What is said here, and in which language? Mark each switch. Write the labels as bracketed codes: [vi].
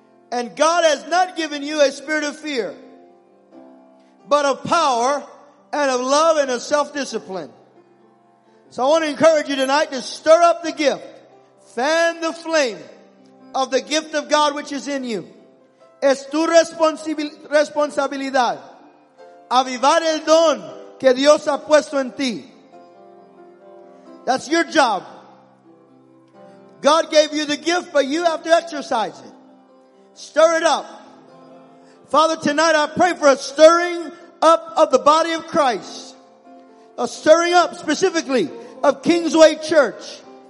[en] And God has not given you a spirit of fear, but of power and of love and of self-discipline. So I want to encourage you tonight to stir up the gift. Fan the flame of the gift of God which is in you. [es] Es tu responsabilidad. Avivar el don que Dios ha puesto en ti. [en] That's your job. God gave you the gift, but you have to exercise it. Stir it up. Father, tonight I pray for a stirring up of the body of Christ. A stirring up specifically of Kingsway Church.